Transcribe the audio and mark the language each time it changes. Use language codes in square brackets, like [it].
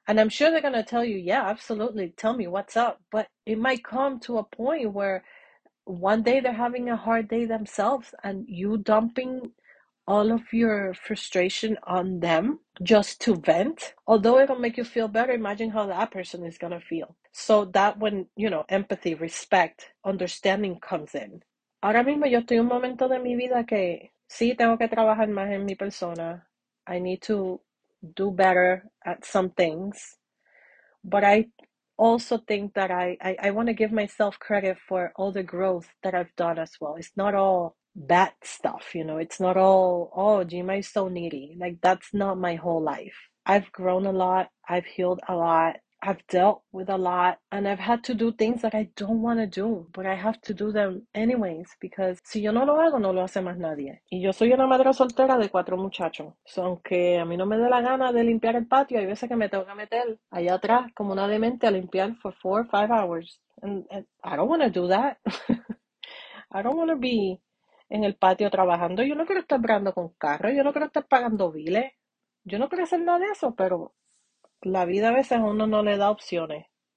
[en] And I'm sure they're gonna tell you, yeah, absolutely, tell me what's up. But it might come to a point where one day they're having a hard day themselves and you dumping all of your frustration on them just to vent. Although it'll make you feel better, imagine how that person is gonna feel. So that when, empathy, respect, understanding comes in. [es] Ahora mismo yo estoy en un momento de mi vida que sí tengo que trabajar más en mi persona. [en] I need to do better at some things. But I also think that I want to give myself credit for all the growth that I've done as well. It's not all bad stuff, it's not all, oh, Jima is so needy. Like, that's not my whole life. I've grown a lot, I've healed a lot, I've dealt with a lot, and I've had to do things that I don't want to do, but I have to do them anyways, because [es] si yo no lo hago, no lo hace más nadie. Y yo soy una madre soltera de cuatro muchachos. So, aunque a mí no me dé la gana de limpiar el patio, hay veces que me tengo que meter allá atrás como una demente a limpiar [en] for 4 or 5 hours. And I don't want to do that. I don't want to be [es] en el patio trabajando. Yo no quiero estar bregando con carro, yo no quiero estar pagando biles, yo no quiero hacer nada de eso, pero la vida a veces a uno no le da opciones.